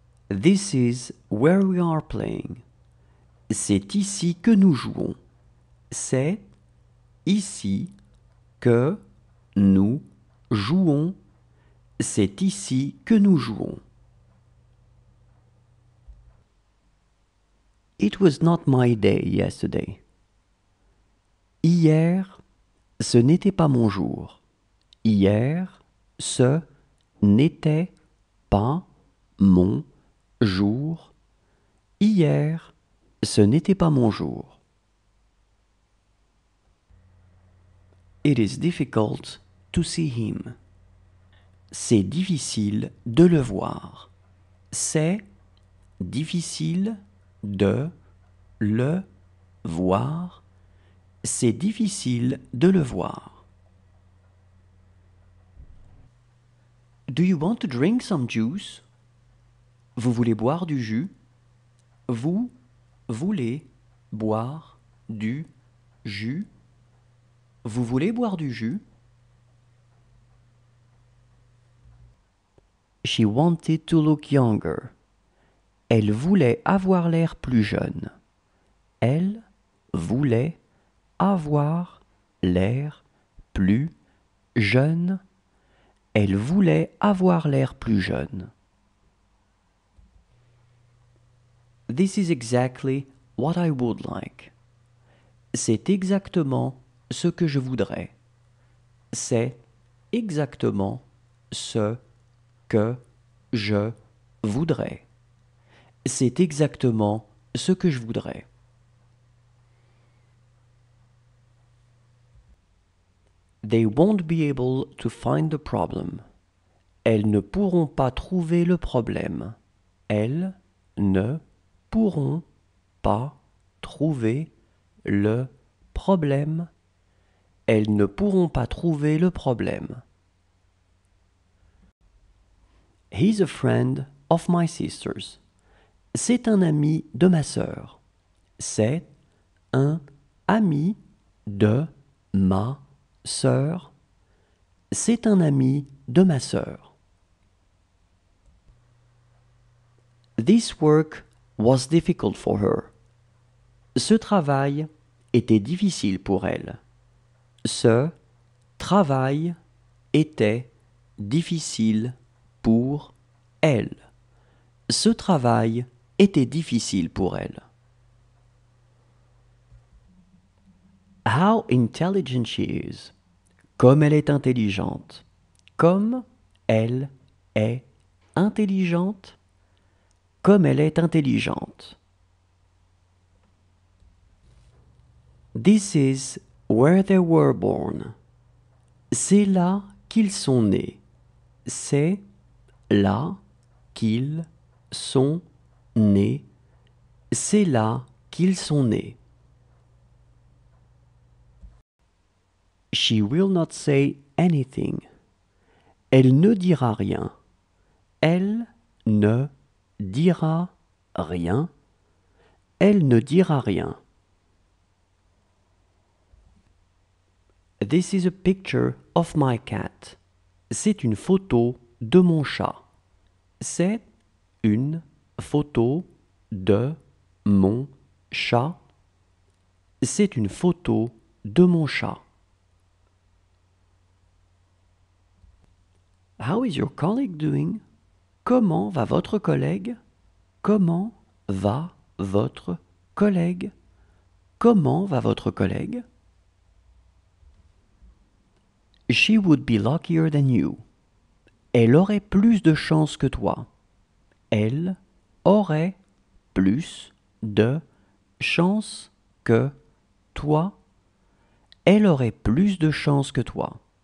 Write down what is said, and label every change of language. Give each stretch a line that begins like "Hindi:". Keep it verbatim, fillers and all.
English: This is where we are playing.
French: C'est ici que nous jouons. C'est ici que nous jouons. C'est ici que nous jouons.
English: It was not my day yesterday.
French: Hier, ce n'était pas mon jour. Hier, ce n'était pas mon jour. Hier, ce n'était pas mon jour.
English: It is difficult to see him.
French: C'est difficile de le voir. C'est difficile de le voir. C'est difficile de le voir.
English: Do you want to drink some juice?
French: Vous voulez boire du jus? Vous voulez boire du jus? Vous voulez boire du jus?
English: She wanted to look younger.
French: Elle voulait avoir l'air plus jeune. Elle voulait avoir l'air plus jeune. Elle voulait avoir l'air plus jeune.
English: This is exactly what I would like.
French: C'est exactement ce que je voudrais. C'est exactement ce que je voudrais. C'est exactement ce que je voudrais.
English: They won't be able to find the problem.
French: Elles ne pourront pas trouver le problème. Elles ne pourront pas trouver le problème. Elles ne pourront pas trouver le problème.
English: He's a friend of my sister's.
French: C'est un ami de ma sœur. C'est un ami de ma sœur. C'est un ami de ma sœur.
English: This work was difficult for her.
French: Ce travail était difficile pour elle. Ce travail était difficile pour elle. Ce travail était difficile pour elle.
English: How intelligent she is.
French: Comme elle est intelligente. Comme elle est intelligente. Comme elle est intelligente.
English: This is where they were born.
French: C'est là qu'ils sont nés. C'est là qu'ils sont nés. C'est là qu'ils sont nés.
English: She will not say anything.
French: Elle ne dira rien. Elle ne dira rien. Elle ne dira rien.
English: This is a picture of my cat.
French: C'est une photo de mon chat. C'est une photo de mon chat. C'est une photo de mon chat.
English: How is your colleague doing?
French: Comment va votre collègue? Comment va votre collègue? Comment va votre collègue?
English: She would be luckier than you.
French: Elle aurait plus de chance que toi. Elle aurait plus de chance que toi. Elle aurait plus de chance que toi.